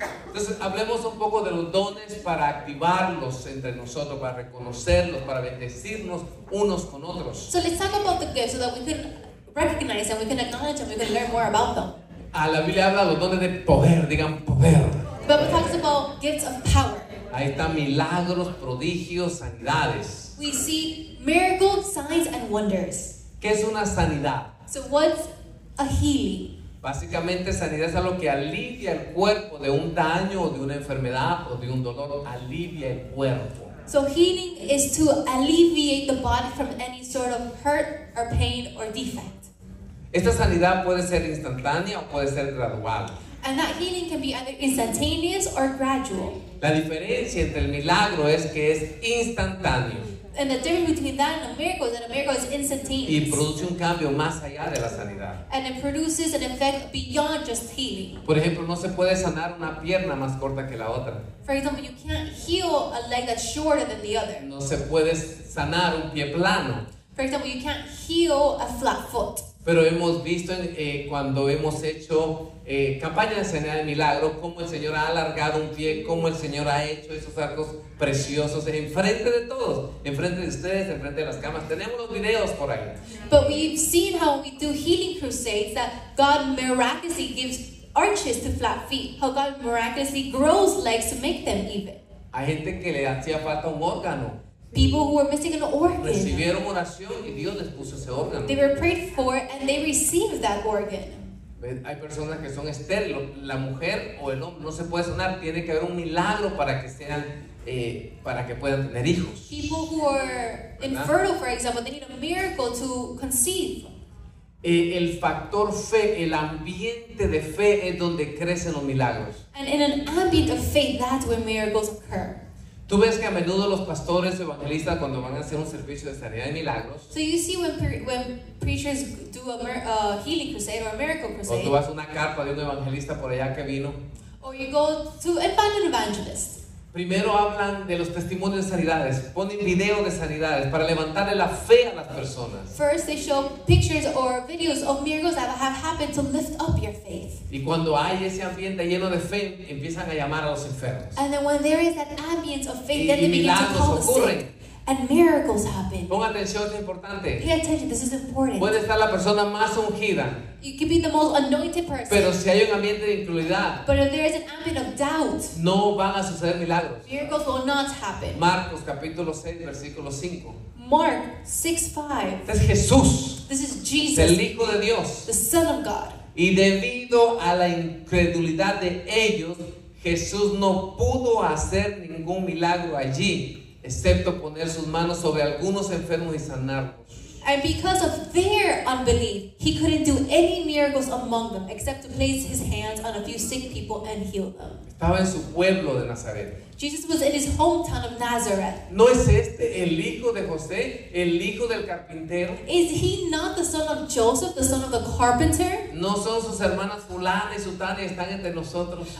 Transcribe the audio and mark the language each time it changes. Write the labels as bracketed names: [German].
[Spanish] Entonces, hablemos un poco de los dones para activarlos entre nosotros, para reconocerlos, para bendecirnos unos con otros. [English] So let's talk about the gifts so that we can recognize and we can acknowledge and we can learn more about them. [Spanish] A la Biblia habla de los dones de poder, digan poder. [English] The Bible talks about gifts of power. [Spanish] Ahí están milagros, prodigios, sanidades. [English] We see miracles, signs, and wonders. [Spanish] ¿Qué es una sanidad? [English] So what's a healing? [Spanish] Básicamente sanidad es algo que alivia el cuerpo de un daño o de una enfermedad o de un dolor, alivia el cuerpo. [English] So healing is to alleviate the body from any sort of hurt or pain or defect. [Spanish] Esta sanidad puede ser instantánea o puede ser gradual. [English] And that healing can be either instantaneous or gradual. [Spanish] La diferencia entre el milagro es que es instantáneo. [English] And the difference between that and a miracle is instantaneous. [Spanish] Y produce un cambio más allá de la sanidad. [English] And it produces an effect beyond just healing. [Spanish] Por ejemplo, no se puede sanar una pierna más corta que la otra. [English] For example, you can't heal a leg that's shorter than the other. [Spanish] No se puede sanar un pie plano. [English] For example, you can't heal a flat foot. [Spanish] Pero hemos visto cuando hemos hecho campaña de sanidad de milagro, cómo el Señor ha alargado un pie, cómo el Señor ha hecho esos arcos preciosos en frente de todos, en frente de ustedes, en frente de las camas. Tenemos los videos por ahí. [English] But we've seen how we do healing crusades, that God miraculously gives arches to flat feet, how God miraculously grows legs to make them even. [Spanish] Hay gente que le hacía falta un órgano. [English] People who were missing an organ. [Spanish] Recibieron oración y Dios les puso ese órgano. [English] They were prayed for and they received that organ. [Spanish] Hay personas que son estériles, la mujer o el hombre no se puede sanar, tiene que haber un milagro para que sean para que puedan tener hijos. [English] People who are infertile, for example, they need a miracle to conceive. [Spanish] El factor fe, el ambiente de fe es donde crecen los milagros. [English] And in an ambient of faith, that's where miracles occur. [Spanish] Tú ves que a menudo los pastores evangelistas cuando van a hacer un servicio de sanidad de milagros. [English] So you see when preachers do a healing crusade or a miracle crusade. [Spanish] O tú vas a una carpa de un evangelista por allá que vino. [English] Or you go to find an evangelist. [Spanish] Primero hablan de los testimonios de sanidades, ponen videos de sanidades para levantarle la fe a las personas. [English] First they show pictures or videos of miracles that have happened to lift up your faith. [Spanish] Y cuando hay ese ambiente lleno de fe, empiezan a llamar a los enfermos. [English] And then when there is that ambience of faith, then they begin to call the sick. And miracles happen. [Spanish] Pon atención, es importante. [English] Pay attention, this is important. [Spanish] Puede estar la persona más ungida. [English] You can be the most anointed person. [Spanish] Pero si hay un ambiente de incredulidad, [English] but if there is an ambient of doubt, [Spanish] no van a suceder milagros. [English] Miracles will not happen. [Spanish] Marcos capítulo 6, versículo 5. [English] Mark 6:5. [Spanish] Este es Jesús. [English] This is Jesus. [Spanish] El Hijo de Dios. [English] The Son of God. [Spanish] Y debido a la incredulidad de ellos, Jesús no pudo hacer ningún milagro allí, excepto poner sus manos sobre algunos enfermos y sanarlos. [English] And because of their unbelief, he couldn't do any miracles among them, except to place his hands on a few sick people and heal them. [Spanish] Estaba en su pueblo de Nazaret. [English] Jesus was in his hometown of Nazareth. [Spanish] ¿No es este el hijo de José, el hijo del carpintero? [English] Is he not the son of Joseph, the son of the carpenter? [Spanish] ¿No son sus hermanas fulana y sutana y están entre nosotros?